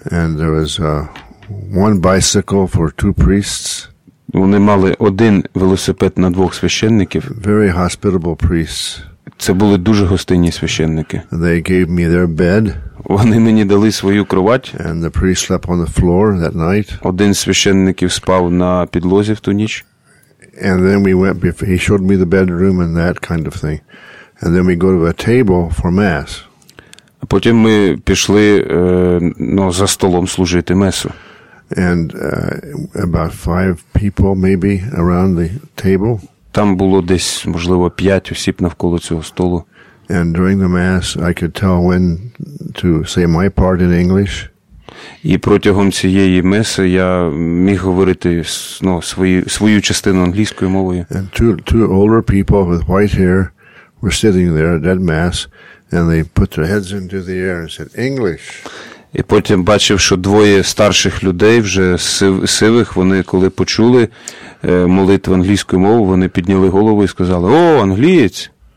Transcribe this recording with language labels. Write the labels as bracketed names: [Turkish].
[English] And there was one bicycle for two priests. [Ukrainian] Вони мали один велосипед на двох священників. [English] Very hospitable priests. [Ukrainian] Це були дуже гостинні священники. [English] They gave me their bed. [Ukrainian] Вони мені дали свою кровать. [English] And the priest slept on the floor that night. [Ukrainian] Один з священників спав на підлозі в ту ніч. [English] And then we went, he showed me the bedroom and that kind of thing. And then we go to a table for mass. [Ukrainian] А потім ми пішли, ну, за столом служити месу. [English] And about 5 people maybe around the table. [Ukrainian] Там було десь, можливо, 5 осіб навколо цього столу. [English] And during the mass I could tell when to say my part in English. [Ukrainian] І протягом цієї меси я міг говорити, ну, свою частину англійською мовою. [English] And two older people with white hair were sitting there at that mass and they put their heads into the air and said English. [Ukrainian] І потім бачив, що двоє старших людей, вже сивих, вони коли почули молитву англійською мовою, вони підняли голову і сказали: "О, англієць!"